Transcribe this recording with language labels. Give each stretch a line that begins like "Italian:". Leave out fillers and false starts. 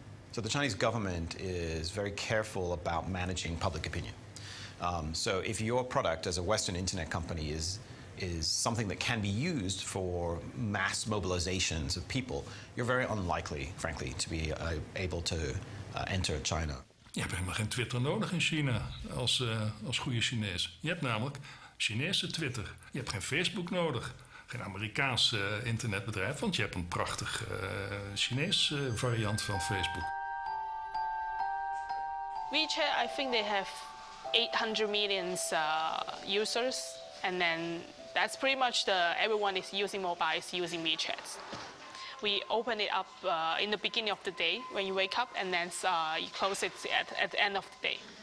English: So the Chinese government is very careful about managing public opinion. So if your product as a Western internet company is something that can be used for mass mobilizations of people, you're very unlikely, frankly, to be able to enter China.
Dutch: Je hebt helemaal geen Twitter nodig in China als goede Chinees. Je hebt namelijk Chinese Twitter. Je hebt geen Facebook nodig, geen Amerikaans internetbedrijf, want je hebt een prachtig Chinese variant van Facebook.
English: WeChat, I think they have 800 million users, and then that's pretty much everyone is using mobile, is using WeChat. We open it up in the beginning of the day when you wake up, and then you close it at the end of the day.